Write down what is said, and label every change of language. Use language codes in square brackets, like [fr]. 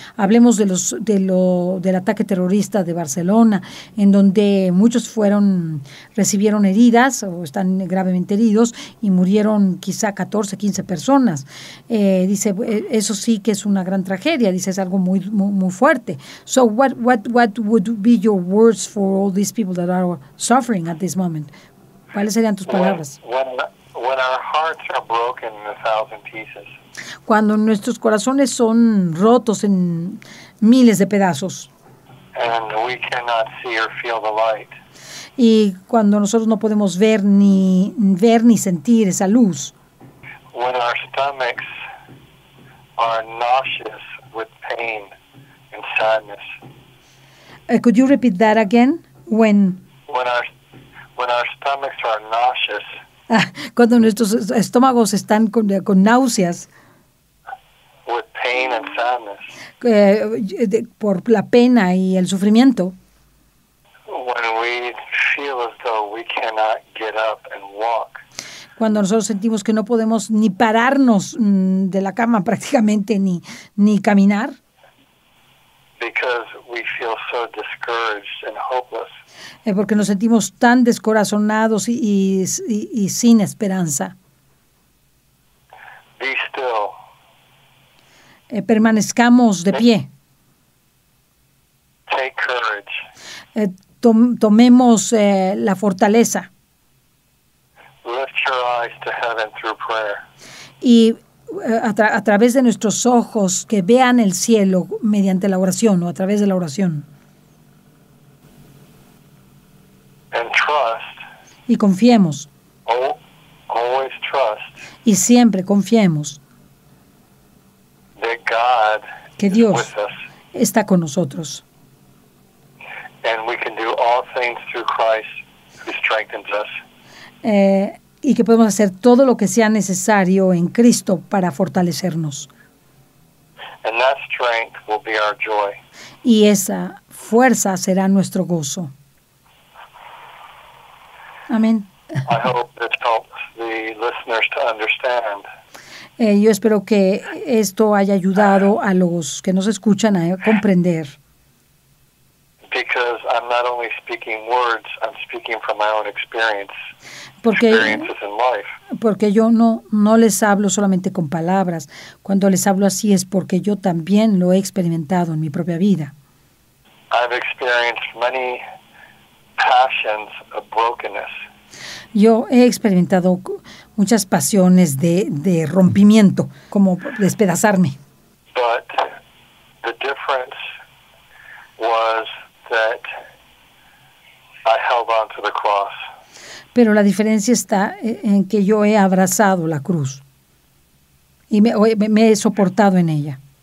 [es] Hablemos del ataque terrorista de Barcelona, en donde muchos recibieron heridas o están gravemente heridos y murieron quizá 14, 15 personas. Dice, eso sí que es una gran tragedia. Dice, es algo muy, muy, muy fuerte. [en] So what would be your words for all these people that are suffering at this moment? [es] ¿Cuáles serían tus palabras? [en] When our hearts are broken in a thousand pieces. [es] Cuando nuestros corazones son rotos en miles de pedazos. [en] And we cannot see or feel the light. [es] Y cuando nosotros no podemos ver ni sentir esa luz. [en] When our stomachs are nauseous. With pain and sadness. Could you repeat that again? When our stomachs are nauseous. [es] Cuando nuestros estómagos están con náuseas. [en] With pain and sadness. [es] Por la pena y el sufrimiento. [en] When we feel as though we cannot get up and walk. [es] Cuando nosotros sentimos que no podemos ni pararnos de la cama prácticamente ni caminar. [en] Because we feel so discouraged and hopeless. [es] Porque nos sentimos tan descorazonados y sin esperanza. [en] Be still. [es] Permanezcamos de pie. [en] Take courage. [es] Tomemos la fortaleza. [en] Lift your eyes to heaven through prayer. [es] Y a través de nuestros ojos que vean el cielo mediante la oración o a través de la oración. [en] And trust. [es] Y confiemos. [en] Always trust. [es] Y siempre confiemos. [en] That God [es] Que Dios está con nosotros. [en] And we can do all things through Christ who strengthens us. [es] Y que podemos hacer todo lo que sea necesario en Cristo para fortalecernos. [en] And that strength will be our joy. [es] Y esa fuerza será nuestro gozo. Amén. [en] I hope this helps the listeners to understand. [es] Yo espero que esto haya ayudado a los que nos escuchan a comprender. [en] Because I'm not only speaking words, I'm speaking from my own experiences in life. [es] Porque yo no les hablo solamente con palabras. Cuando les hablo así es porque yo también lo he experimentado en mi propia vida. [en] I've experienced many passions of brokenness. [es] Yo he experimentado muchas pasiones de rompimiento, como despedazarme. [en] But the difference was that I held on to the cross. [es] Pero la diferencia está en que yo he abrazado la cruz y me he soportado en ella.